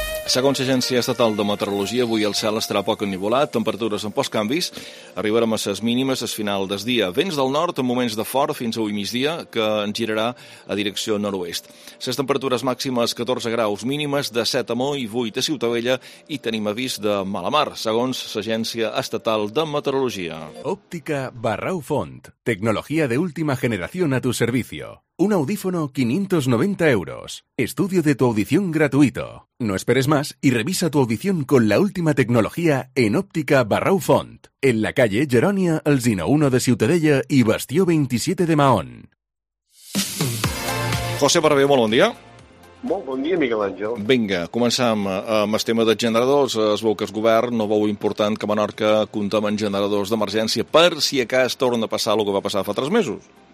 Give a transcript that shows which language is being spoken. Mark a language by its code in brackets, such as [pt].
[ca] Segons l'Agència Estatal de Meteorologia, avui el cel estarà poc ennivolat, temperatures amb pocs canvis, arribarem a les mínimes al final del dia. Vents del nord en moments de fort fins avui migdia, que en girarà a direcció nord-oest. Les temperatures màximes 14 graus mínimes de 7 a Moll i 8 a Ciutadella, i tenim avís de mala mar, segons l'Agència Estatal de Meteorologia. [es] Óptica Barrau Font. Tecnología de última generación a tu servicio. Un audífono 590 euros. Estudio de tu audición gratuito. No esperes más y revisa tu audición con la última tecnología en Óptica Barrau Font. En la calle Jerònia, Alzina 1 de Ciutadella y Bastió 27 de Mahón. [ca] José Barbé, molt bon dia. Molt bon dia, Miquel Àngel. Vinga, començam amb el tema de generadors. Es veu que el govern no veu important que Menorca compta amb generadors d'emergència per si a cas torna a passar el que va passar fa 3 mesos.